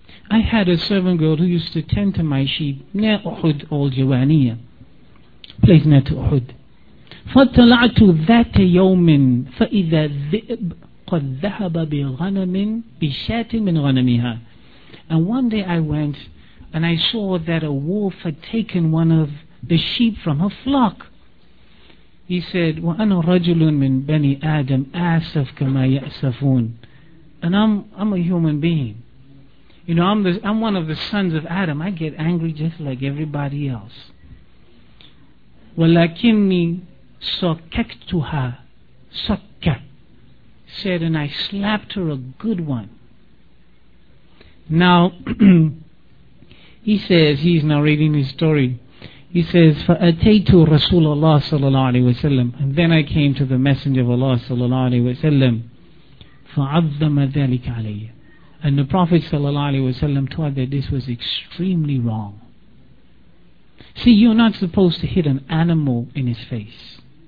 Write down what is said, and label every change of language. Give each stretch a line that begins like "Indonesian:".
English: I had a servant girl who used to tend to my sheep near Uhud, old Jawaniya, place near to Uhud.
Arabic: فَطَلَعْتُ ذَاتَ يَوْمٍ فَإِذَا الذِّئْبْ قَدْ ذَهَبَ بِغَنَمٍ بِشَاتٍ مِنْ غَنَمِهَا.
English: And one day I went and I saw that a wolf had taken one of the sheep from her flock. He said,
Arabic: وَأَنَا رَجُلٌ مِنْ بَنِي آدَمْ أَسَفْكَ مَا يَأْسَفُونَ.
English: And I'm a human being. You know, I'm one of the sons of Adam. I get angry just like everybody else.
Arabic: وَلَكِنِّي سَكَكْتُهَا سَكَّ.
English: Said, and I slapped her a good one. Now, he says, he's narrating his story. He says,
Arabic: فَأَتَيْتُ رَسُولَ اللَّهِ صَلَى اللَّهُ عَلَيْهِ وَسَلَّمَ.
English: And then I came to the Messenger of Allah
Arabic: صَلَى اللَّهُ عَلَيْهِ وَسَلَّمَ. فَعَظَّمَ ذَلِكَ عَلَيَّ.
English: And the Prophet sallallahu alaihi wasallam taught that this was extremely wrong. See, you're not supposed to hit an animal in his face.